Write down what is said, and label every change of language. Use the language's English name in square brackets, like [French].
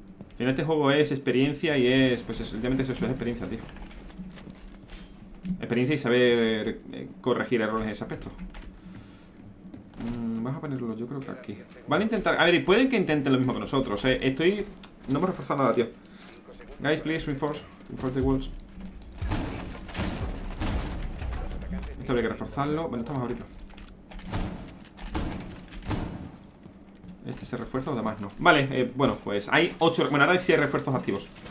[Spanish] Al final este juego es experiencia y es... pues eso, obviamente eso es experiencia, tío. Experiencia y saber corregir errores en ese aspecto. Vamos a ponerlo, yo creo que aquí. Van a intentar... A ver, y pueden que intenten lo mismo que nosotros, estoy... No me he reforzado nada, tío. [English] Guys, please, reinforce the walls. [Spanish] Esto habría que reforzarlo. Bueno, estamos a abrirlo. Este se refuerza, los demás no. Vale, bueno, pues hay 8. Bueno, ahora sí hay refuerzos activos.